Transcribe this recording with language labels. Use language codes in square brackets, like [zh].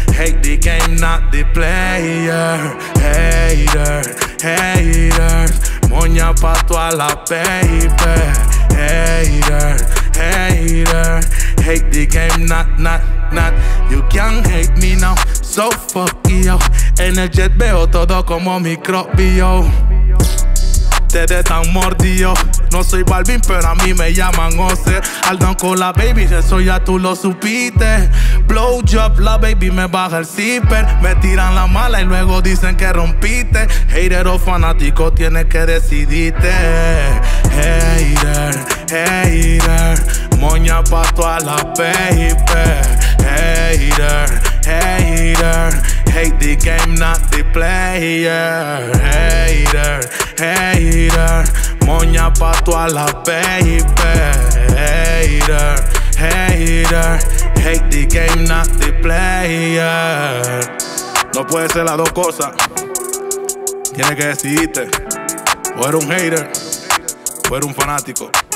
[en] Hate the game, not the player. Hater, hater. [es] Moña pa' toda la baby. [en] Hater, hater. Hate the game, not. You can't hate me now, so fuck you. [es] En el jet veo todo como microbio. Ustedes están mordidos. No soy Balvin, pero a mí me llaman Ose. Al don con la baby, eso ya tú lo supiste. [en] Blow job, [es] la baby me baja el zipper. Me tiran la mala y luego dicen que rompiste. Hater o fanático, tienes que decidirte. [en] Hater, hater. [es] Moña pa' toda la baby. [en] Hater, hater. Hate the game, not the player. Hater, hater. [es] Moña pa' toda la baby. [en] Hater, hater. Hate the game, not the player. [es] No puede ser las dos cosas. Tienes que decidirte. O eres un hater, o eres un fanático.